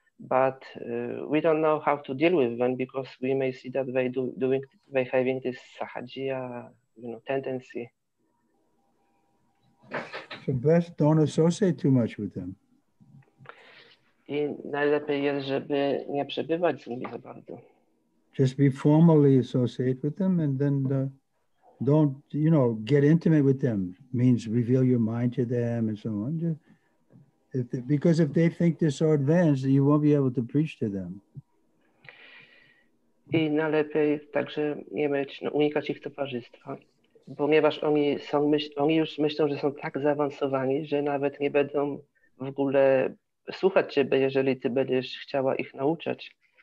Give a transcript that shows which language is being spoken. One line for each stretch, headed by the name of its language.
English: but we don't know how to deal with them because we may see that they do doing they having this sahajiya, you know, tendency. So best don't associate too much with them.
Polish: I najlepiej jest, żeby nie przebywać z nimi za bardzo.
English: Just be formally associate with them and then don't, you know, get intimate with them. Means reveal your mind to them and so on. Just, if they, because if they think they're so advanced, you won't be able to preach to them.
Polish: I najlepiej także nie mieć, no, unikać ich towarzystwa, ponieważ oni są, oni już myślą, że są tak zaawansowani, że nawet nie będą w ogóle słuchać ciebie, jeżeli ty będziesz chciała ich nauczać.